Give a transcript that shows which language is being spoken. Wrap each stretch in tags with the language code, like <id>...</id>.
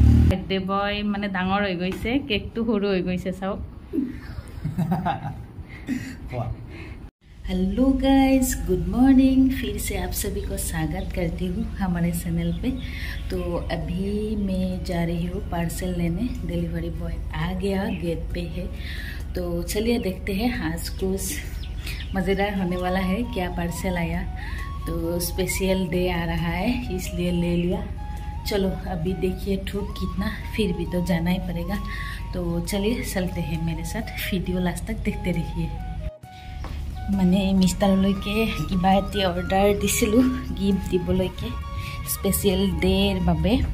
<as>Birthday বয় মানে ডাঙৰ হৈ গৈছে, কেকটো সৰু হৈ গৈছে চাওক।</as> <hi>हेलो गाइस, गुड मॉर्निंग, फिर से आप सभी को स्वागत करती हूँ हमारे चैनल पे। तो अभी मैं जा रही हूँ पार्सल लेने, डिलीवरी बॉय आ गया गेट पे है। तो चलिए देखते हैं आज कुछ मज़ेदार होने वाला है, क्या पार्सल आया। तो स्पेशल डे आ रहा है इसलिए ले लिया। चलो अभी देखिए ठूक कितना, फिर भी तो जाना ही पड़ेगा। तो चलिए चलते हैं मेरे साथ, वीडियो लास्ट तक देखते रहिए।</hi> <as>মানে মিষ্টাৰ লৈকে কিবা এটি অৰ্ডাৰ দিছিলোঁ গিফ্ট দিবলৈকে স্পেচিয়েল ডেৰ বাবে।</as>